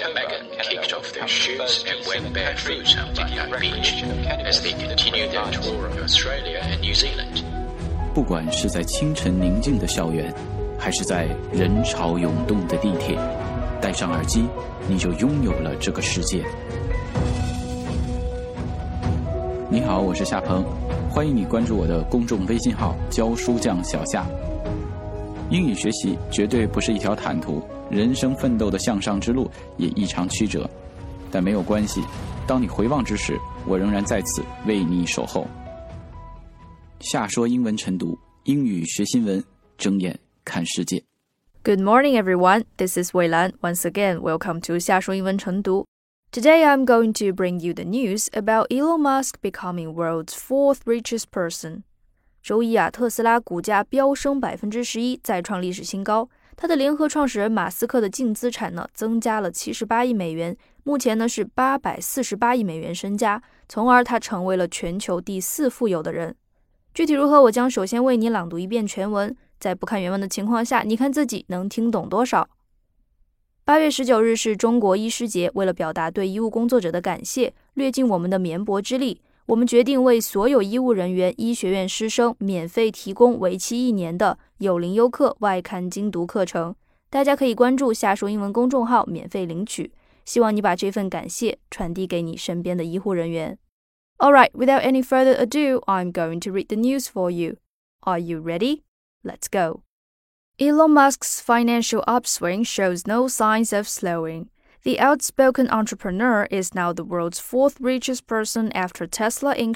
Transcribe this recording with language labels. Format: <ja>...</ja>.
<en>and Megan kicked off their shoes and went barefoot on Bondi Beach as they continued their tour of Australia and New Zealand.</en> <zh>不管是在清晨宁静的校园，还是在人潮涌动的地铁，戴上耳机，你就拥有了这个世界。你好，我是夏鹏，欢迎你关注我的公众微信号“教书匠小夏”。英语学习绝对不是一条坦途，人生奋斗的向上之路也异常曲折，但没有关系，当你回望之时，我仍然在此为你守候。夏说英文晨读，英语学新闻，睁眼看世界。</zh> <en>Good morning, everyone. This is Wei Lan. Once again, welcome to 夏说英文晨读。 Today, I'm going to bring you the news about Elon Musk becoming world's fourth richest person.</en> <zh>周一啊，特斯拉股价飙升 11%， 再创历史新高。他的联合创始人马斯克的净资产呢，增加了78亿美元，目前呢是848亿美元身家，从而他成为了全球第四富有的人。具体如何，我将首先为你朗读一遍全文，在不看原文的情况下，你看自己能听懂多少。 8月19日是中国医师节，为了表达对医务工作者的感谢，略尽我们的绵薄之力，我们决定为所有医务人员、医学院师生免费提供为期一年的有灵优课外刊精读课程，大家可以关注夏说英文公众号免费领取，希望你把这份感谢传递给你身边的医护人员。</zh> <en>Alright, without any further ado, I'm going to read the news for you. Are you ready? Let's go! Elon Musk's financial upswing shows no signs of slowing. The outspoken entrepreneur is now the world's fourth richest person after Tesla Inc.</en>